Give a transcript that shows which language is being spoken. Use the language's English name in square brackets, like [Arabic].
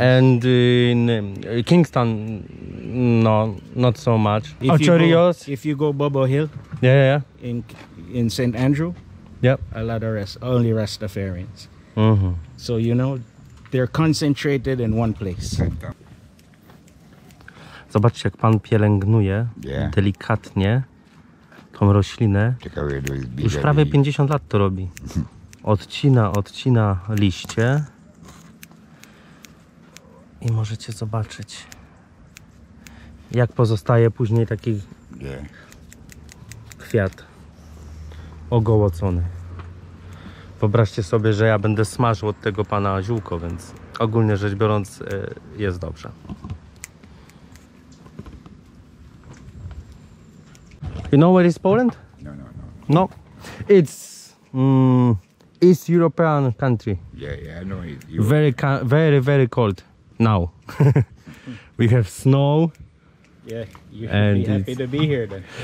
[English] And in Kingston, no, not so much. If you go Bobo Hill. Yeah, yeah, yeah. In St. Andrew. Yep. A lot of only Rastafarians. Mm-hmm. So, you know, they're concentrated in one place. [Polish] Zobaczcie, jak pan pielęgnuje delikatnie tą roślinę. Już prawie 50 lat to robi. Odcina liście. I możecie zobaczyć, jak pozostaje później taki kwiat ogołocony. Wyobraźcie sobie, że ja będę smażył od tego pana ziółko, więc ogólnie rzecz biorąc jest dobrze. [English] You know where is Poland? No. It's East European country. Yeah, I know it. Very, very cold now. We have snow. Yeah, you should be happy to be here then.